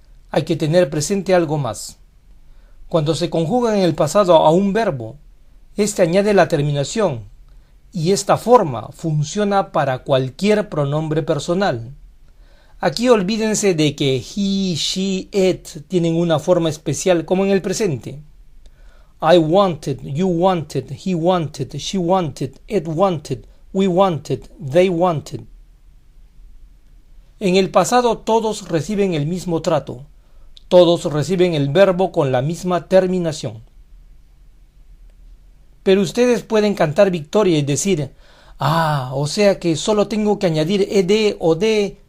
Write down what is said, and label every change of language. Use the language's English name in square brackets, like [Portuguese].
[Spanish] Hay que tener presente algo más. Cuando se conjuga en el pasado a un verbo, éste añade la terminación y esta forma funciona para cualquier pronombre personal. Aquí olvídense de que he, she, it tienen una forma especial como en el presente. [English] I wanted, you wanted, he wanted, she wanted, it wanted, we wanted, they wanted. [Spanish] En el pasado todos reciben el mismo trato. Todos reciben el verbo con la misma terminación. Pero ustedes pueden cantar victoria y decir, ah, o sea que solo tengo que añadir ed o de.